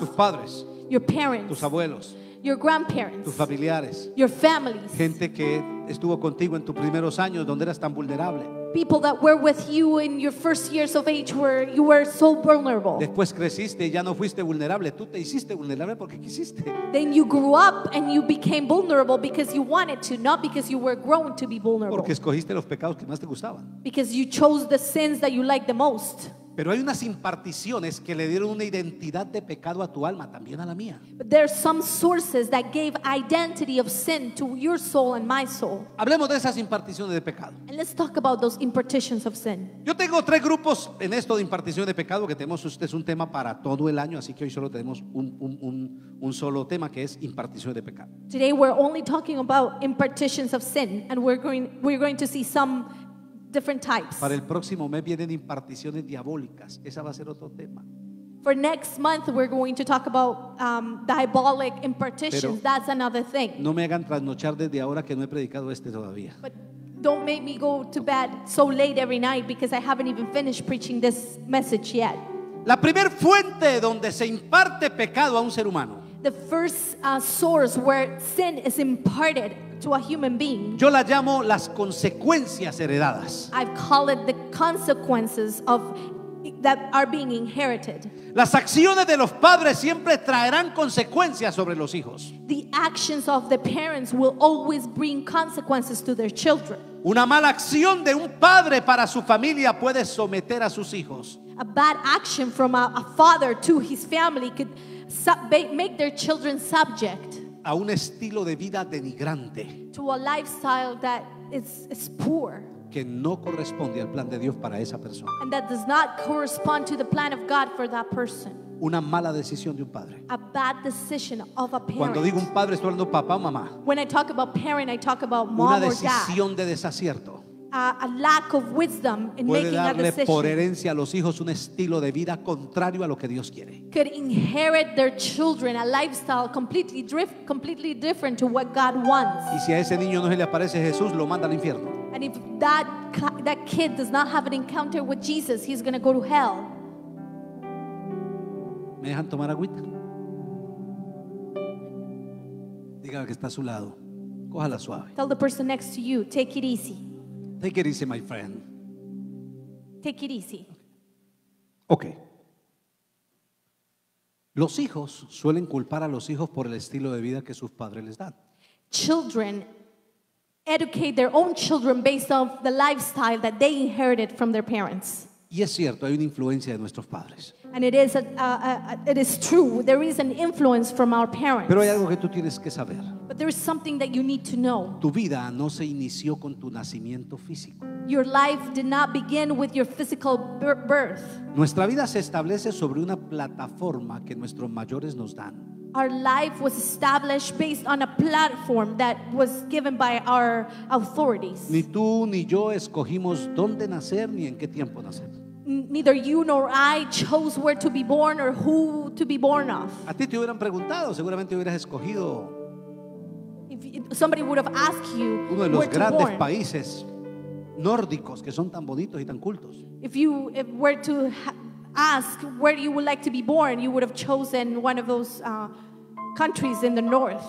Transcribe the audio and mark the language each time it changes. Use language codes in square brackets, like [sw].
[es] Tus padres. [en] Your parents. [es] Tus abuelos. [en] Your grandparents. [es] Tus familiares. [en] Your families. [es] Gente que estuvo contigo en tus primeros años donde eras tan vulnerable. [en] People that were with you in your first years of age where you were so vulnerable. [es] Después creciste y ya no fuiste vulnerable, tú te hiciste vulnerable porque quisiste. [en] Then you grew up and you became vulnerable because you wanted to, not because you were grown to be vulnerable. [es] Porque escogiste los pecados que más te gustaban. [en] Because you chose the sins that you liked the most. [es] Pero hay unas imparticiones que le dieron una identidad de pecado a tu alma, también a la mía. [en] But there are some sources that gave identity of sin to your soul and my soul. [es] Hablemos de esas imparticiones de pecado. [en] And let's talk about those impartitions of sin. [es] Yo tengo tres grupos en esto de impartición de pecado que tenemos. Este es un tema para todo el año, así que hoy solo tenemos un solo tema que es impartición de pecado. [en] Today we're only talking about impartitions of sin, and we're going to see some different types. [es] Para el próximo mes vienen imparticiones diabólicas. Esa va a ser otro tema. [en] For next month we're going to talk about diabolic impartitions. [es] Pero [en] that's another thing. [es] No me hagan trasnochar desde ahora que no he predicado este todavía. [en] But don't make me go to bed so late every night because I haven't even finished preaching this message yet. [es] La primer fuente donde se imparte pecado a un ser humano. [en] The first source where sin is imparted to a human being. [es] Yo la llamo las consecuencias heredadas. [en] I've called it the consequences of that are being inherited. [es] Las acciones de los padres siempre traerán consecuencias sobre los hijos. [en] The actions of the parents will always bring consequences to their children. [es] Una mala acción de un padre para su familia puede someter a sus hijos. [en] A bad action from a father to his family could make their children subject. [es] A un estilo de vida denigrante. [en] To a lifestyle that is poor. [es] Que no corresponde al plan de Dios para esa persona. [en] And that does not correspond to the plan of God for that person. [es] Una mala decisión de un padre. [en] A bad decision of a parent. [es] Cuando digo un padre estoy hablando papá o mamá. [en] When I talk about parent I talk about mom or dad. [es] Una decisión de desacierto. [en] A lack of wisdom in making a decision. [es] Puede darle por herencia a los hijos un estilo de vida contrario a lo que Dios quiere. [en] Could inherit their children a lifestyle completely different to what God wants. [es] Y si a ese niño no se le aparece Jesús, lo manda al infierno. [en] And if that kid does not have an encounter with Jesus, he's going to go to hell. [es] ¿Me dejan tomar agüita? Dígame que está a su lado. Cójala suave. [en] Tell the person next to you, take it easy. Take it easy, my friend. Take it easy. Okay. [es] Los hijos suelen culpar a los hijos por el estilo de vida que sus padres les dan. [en] Children educate their own children based off the lifestyle that they inherited from their parents. [es] Y es cierto, hay una influencia de nuestros padres. [en] And it is true, there is an influence from our parents. [es] Pero hay algo que tú tienes que saber. [en] But there is something that you need to know. [es] Tu vida no se inició con tu nacimiento físico. [en] Your life did not begin with your physical birth. [es] Nuestra vida se establece sobre una plataforma que nuestros mayores nos dan. [en] Our life was established based on a platform that was given by our authorities. [es] Ni tú ni yo escogimos dónde nacer ni en qué tiempo nacer. [en] Neither you nor I chose where to be born or who to be born of. [es] A ti te hubieran preguntado, seguramente hubieras escogido. [en] If somebody would have asked you where to be born. [es] Uno de los grandes países nórdicos que son tan bonitos y tan cultos. [en] If were to ask where you would like to be born, you would have chosen one of those countries in the north.